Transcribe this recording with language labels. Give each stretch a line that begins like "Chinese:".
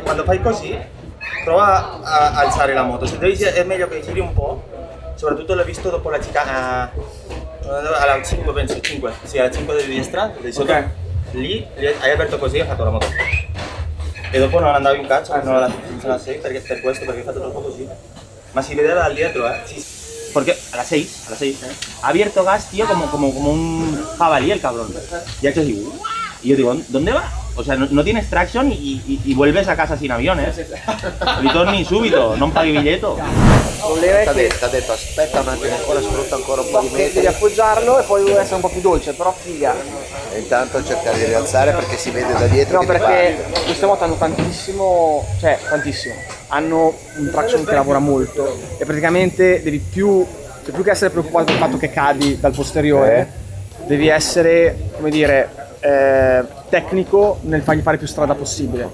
Italian: Quando fai così, prova a alzare la moto. Se devi, è meglio che giri un po'. Soprattutto l'ho visto dopo la chicana. Alla 5 penso, 5. Sì, alla 5 di destra. Di sotto. Okay. Lì hai aperto così e hai fatto la moto. E dopo non andavi un cazzo, non la sei per questo, perché hai fatto troppo così. Ma si vedeva dal dietro, Sì.
Spanish: Porque a las 6, a las 6, ha abierto gas, tío, como un jabalí el cabrón. Y ha hecho así, y yo digo, ¿dónde va? O sea, no tienes tracción y vuelves a casa sin aviones.
Italian: Ritorni subito, non paghi biglietto. Ti ha detto, aspetta un attimo, ancora sfrutta ancora un po' di metri. Di appoggiarlo e poi essere un po' più dolce, però figa. E intanto cercare di rialzare perché si vede da dietro. No, perché queste moto hanno tantissimo, cioè tantissimo. Hanno un traction che lavora molto e praticamente devi più che essere preoccupato del fatto che cadi dal posteriore, devi essere, come dire, tecnico nel fargli fare più strada possibile.